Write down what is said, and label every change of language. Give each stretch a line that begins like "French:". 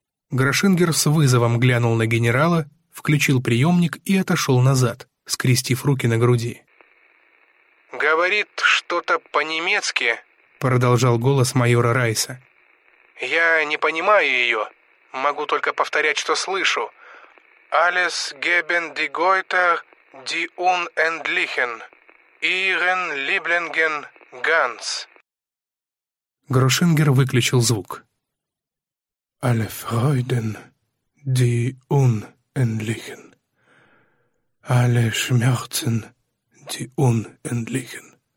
Russian: Грушингер с вызовом глянул на генерала, включил приемник и отошел назад, скрестив руки на груди. «Говорит что-то по-немецки», — продолжал голос майора Райса. «Я не понимаю ее. Могу только повторять, что слышу.
German: Alles geben die Götter, die unendlichen, ihren Lieblingen ganz».
Russian: Грушингер выключил звук.
German: «Alle Freuden, die unendlichen. Alle Schmerzen, die unendlichen.